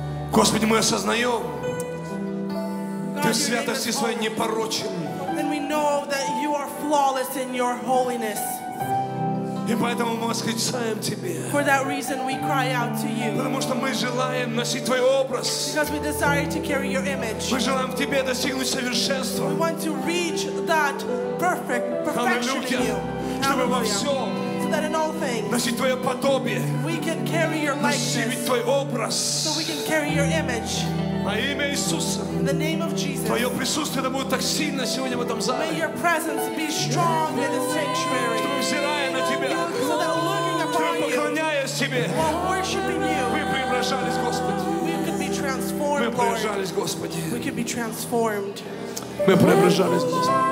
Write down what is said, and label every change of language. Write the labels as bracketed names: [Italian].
[Russian] Господи, мы осознаем, Ты в святости своей непорочен. [English] And we know that you are flawless in your holiness. [Russian] И поэтому мы восклицаем Тебе. [English] For that reason we cry out to you. [Russian] Потому что мы желаем носить Твой образ. [English] Because we desire to carry your image. [Russian] Мы желаем в Тебе достигнуть совершенства. [English] We want to reach that perfect perfection in you. [Russian] Чтобы во всем носить Твое подобие. [English] We can carry your likeness. [Russian] Носить Твой образ. [English] So we can carry your image. [Russian] Во имя Иисуса. [English] In the name of Jesus. [Russian] Твое присутствие да будет так сильно сегодня в этом зале. [English] May your presence be strong in the sanctuary. [Russian] Чтобы взирая на Тебя. [English] So that looking upon you. [Russian] Поклоняясь Тебе. [English] While worshiping you. [Russian] Мы преображались, Господи. [English] We could be transformed, Lord. [Russian] Мы преображались, Господи. [English] We could be transformed. [Russian] Мы преображались, Господи.